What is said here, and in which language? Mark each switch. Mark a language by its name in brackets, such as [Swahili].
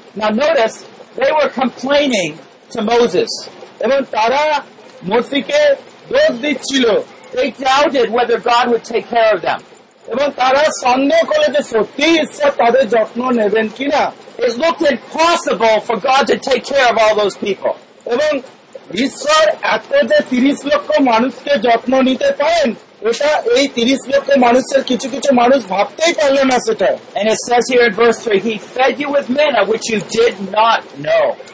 [English] Now notice, they were complaining to Moses. [Bangla] এবং তারা মোশেকে দোষ দিচ্ছিল. [English] They doubted whether God would take care of them. [Bangla] এবং তারা সন্দেহ করলে যে সত্যি ঈশ্বর তাদের যত্ন নেবেন কিনা. [English] It looked impossible for God to take care of all those people. [Bangla] এবং ঈশ্বর এত যে 30 লক্ষ মানুষকে যত্ন নিতে পারেন, এটা এই 30 লক্ষ মানুষের কিছু কিছু মানুষ ভাবতেই পারল না সেটা. [English] And it says here in verse 3, he fed you with manna which you did not know.